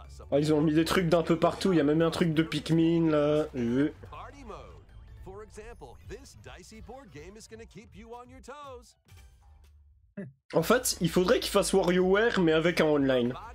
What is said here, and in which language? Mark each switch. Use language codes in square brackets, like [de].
[fr] Ah, ils ont mis des trucs d'un peu partout. Il y a même un truc de Pikmin, là. J'ai vu. [en] For example, this dicey board game is gonna keep you on your toes. [fr] En fait, il faudrait qu'il fasse WarioWare mais avec un online.